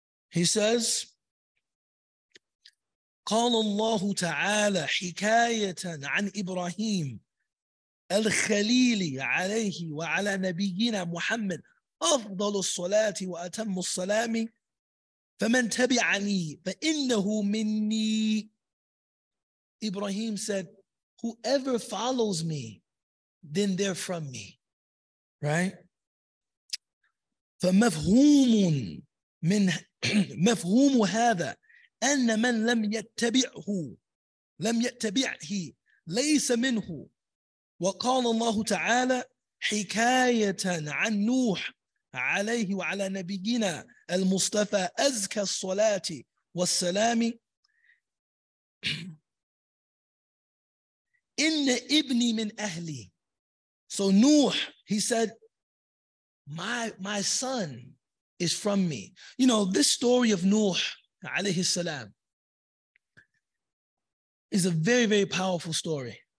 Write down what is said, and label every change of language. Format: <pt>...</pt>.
<en>He says,</en> <ar>قال الله تعالى حكاية عن إبراهيم الخليل عليه وعلى نبينا محمد أفضل الصلاة وأتم السلام فمن تبعني فإنه مني.</ar> <en>Ibrahim said, whoever follows me, then they're from me. Right?</en> <ar>فمفهوم من مفهوم هذا أن من لم يتبعه ليس منه. وقال الله تعالى حكاية عن نوح عليه وعلى نبينا المصطفى أزكى الصلاة والسلام إن ابني من أهلي.</ar> <en>So Nuh, he said, my son is from me. You know, this story of Nuh alayhi salam, is a very, very powerful story.</en>